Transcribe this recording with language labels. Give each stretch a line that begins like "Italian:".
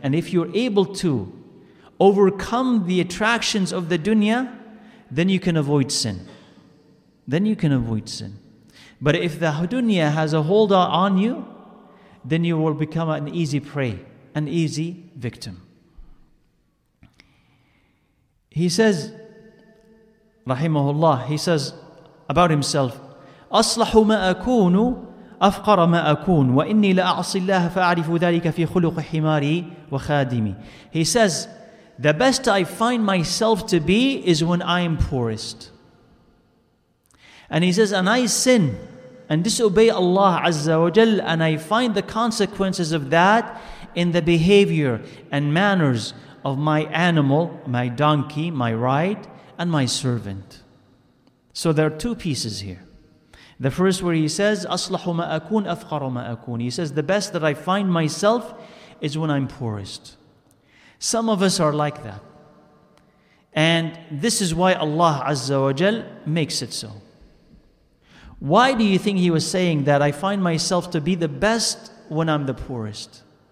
English: And if you're able to overcome the attractions of the dunya, then you can avoid sin. Then you can avoid sin. But if the dunya has a hold on you, then you will become an easy prey, an easy victim. He says, rahimahullah, he says about himself,
Arabic: أَصْلَحُ مَا أَكُونُ أَفْقَرَ مَا أَكُونُ وَإِنِّي لَأَعْصِ اللَّهَ فَأَعْرِفُ ذَلِكَ فِي خُلُقِ حِمَارِي وَخَادِمِي.
English: He says, the best I find myself to be is when I am poorest. And he says, and I sin and disobey Allah Azza wa Jal, and I find the consequences of that in the behavior and manners of my animal, my donkey, my ride, and my servant. So there are two pieces here. The first where he says,
Arabic: أَصْلَحُ مَا أَكُونَ أَفْقَرُ مَا أَكُونَ.
English: He says, the best that I find myself is when I'm poorest. Some of us are like that. And this is why Allah Azza wa Jal makes it so. Why do you think he was saying that I find myself to be the best when I'm the poorest?